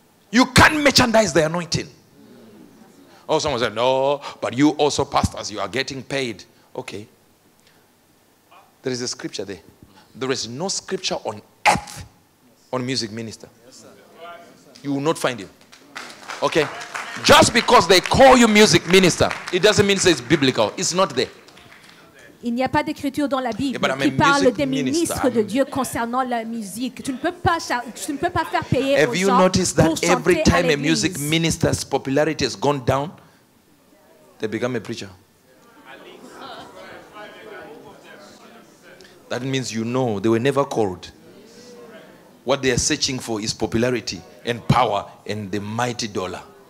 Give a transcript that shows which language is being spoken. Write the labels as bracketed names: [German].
[English] You can't merchandise the anointing. Oh, someone said, no, but you also pastors, you are getting paid. Okay. There is a scripture there. There is no scripture on earth on music minister. You will not find it. Okay, just because they call you music minister, it doesn't mean it's biblical. It's not there. [French] Il n'y a pas d'écriture dans la Bible qui parle des ministres de Dieu concernant la musique. Tu ne peux pas faire payer aux gens pour chanter à l'église. [English] Have you noticed that every time a music minister's popularity has gone down, they become a preacher? That means you know they were never called. What they are searching for is popularity and power and the mighty dollar.